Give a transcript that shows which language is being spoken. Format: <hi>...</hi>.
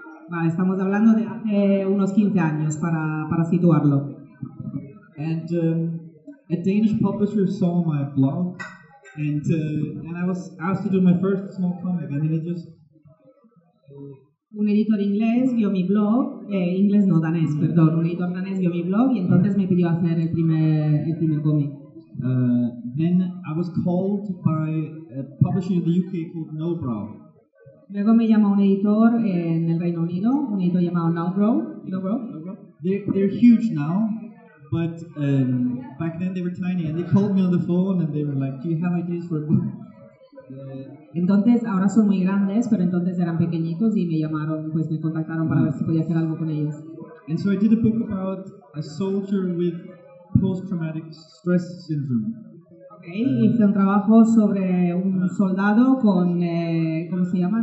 <es>Vale, estamos hablando de hace unos 15 años para situarlo.</es> <en>And a Danish publisher saw my blog and I was asked to do my first small comic. I mean, it just...</en> <es>Un editor inglés vio mi blog, inglés no, danés, mm-hmm. perdón, un editor danés vio mi blog y entonces me pidió hacer el primer cómic.</es> <en>Then I was called by a publisher in the UK called Nobrow.</en> <es>Luego me llamó un editor en el Reino Unido, un editor llamado Nobrow.</es> <en>They're huge now, but back then they were tiny, and they called me on the phone and they were like, "Do you have ideas for a book?"</en> <es>Entonces ahora son muy grandes, pero entonces eran pequeñitos y me llamaron, pues me contactaron para ver si podía hacer algo con ellos.</es> <en>And so I did a book about a soldier with post-traumatic stress syndrome.</en> <es>Okay, hice un trabajo sobre un soldado con ¿cómo se llama?</es>